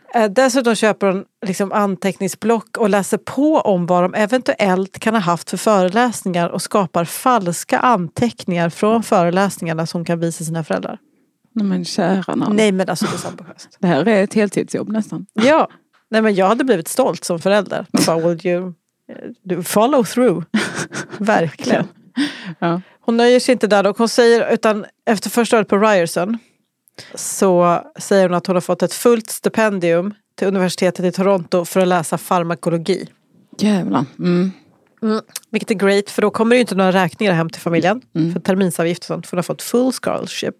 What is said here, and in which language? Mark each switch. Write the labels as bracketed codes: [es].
[sv] Dessutom köper hon liksom anteckningsblock och läser på om vad de eventuellt kan ha haft för föreläsningar och skapar falska anteckningar från föreläsningarna som kan visa sina föräldrar. Nej men kära någon. Nej men alltså det är så ambitiöst. Det här är ett heltidsjobb nästan. Ja, nej men jag hade blivit stolt som förälder. Man bara, [en] would you follow through? [sv] Verkligen. Ja. Hon nöjer sig inte där och hon säger, utan efter första året på Ryerson så säger hon att hon har fått ett fullt stipendium till universitetet i Toronto för att läsa farmakologi. Jävlar. Mm. Vilket är great, för då kommer det ju inte några räkningar hem till familjen. Mm. För terminsavgift och sånt, för hon har fått full scholarship.